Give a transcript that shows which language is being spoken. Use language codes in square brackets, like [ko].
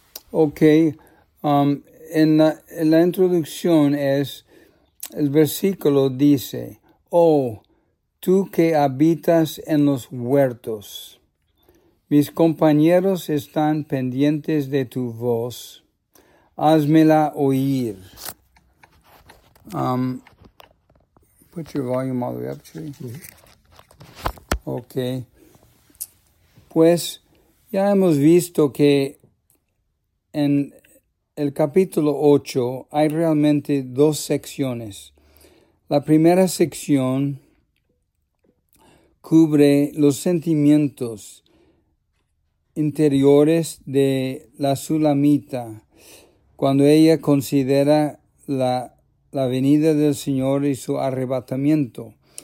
[es] Ok, en la introducción es, el versículo dice, oh, tú que habitas en los huertos, mis compañeros están pendientes de tu voz, házmela oír. [en] Put your volume all the way up, Chuy. [es] Ok, pues ya hemos visto que en el capítulo 8 hay realmente dos secciones. La primera sección cubre los sentimientos interiores de la Shulamita cuando ella considera la venida del Señor y su arrebatamiento.